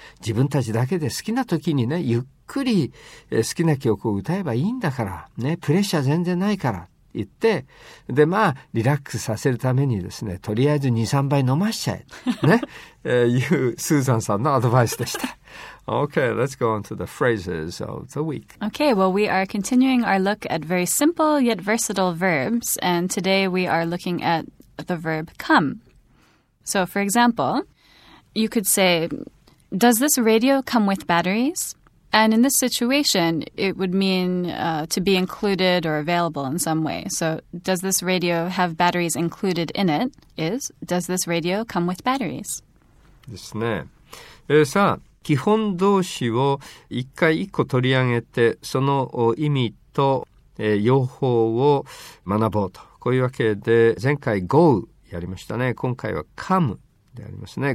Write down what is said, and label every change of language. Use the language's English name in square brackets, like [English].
[Japanese] 自分たちだけで好きな時にね、ゆっくり好きな曲を歌えばいいんだから、ね、プレッシャー全然ないから。言って、で、まあリラックスさせるためにですね、とりあえず 2,3 杯飲ましちゃえと、ね、いうスーザンさんのアドバイスでした。 [English] OK, let's go on to the phrases of the week. OK, well, we are continuing our look at very simple yet versatile verbs, and today we are looking at the verb come. So, for example, you could say, does this radio come with batteries? And in this situation, it would mean to be included or available in some way. So, does this radio have batteries included in it? Is, does this radio come with batteries? [Japanese] ですね。さあ、基本動詞を一回一個取り上げて、その意味と用法を学ぼうと。こういうわけで、前回 go やりましたね。今回は come。でありますね。